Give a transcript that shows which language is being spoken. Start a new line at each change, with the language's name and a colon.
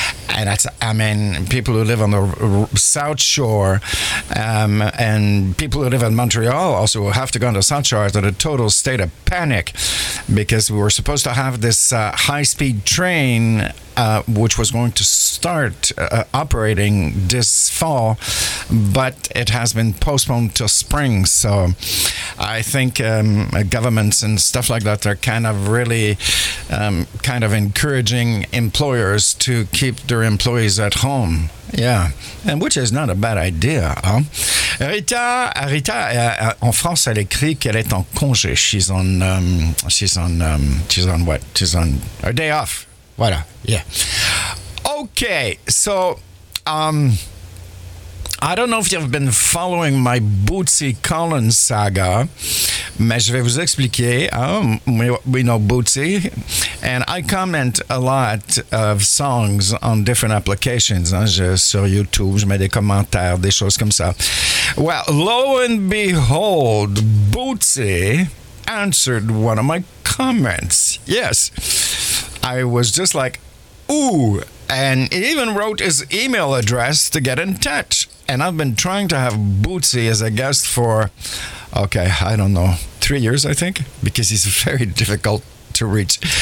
English: And that's, I mean, people who live on the South Shore and people who live in Montreal also have to go on the South Shore in a total state of panic, because we were supposed to have this high-speed train which was going to start operating this fall, but it has been postponed till spring. So I think governments and stuff like that are kind of really kind of encouraging employers to keep their employees at home. Yeah, and which is not a bad idea, huh?
French: Rita, en France, elle écrit qu'elle est en congé.
English: She's on what? She's on her day off. Voilà, yeah. Okay, so I don't know if you've been following my Bootsy Collins saga,
French: mais je vais vous expliquer.
English: We know Bootsy, and I comment a lot of songs on different applications.
French: Sur YouTube, je mets des commentaires, des choses comme ça.
English: Well, lo and behold, Bootsy answered one of my comments. Yes. I was just like, ooh, and he even wrote his email address to get in touch. And I've been trying to have Bootsy as a guest for, okay, I don't know, 3 years, I think, because he's very difficult to reach.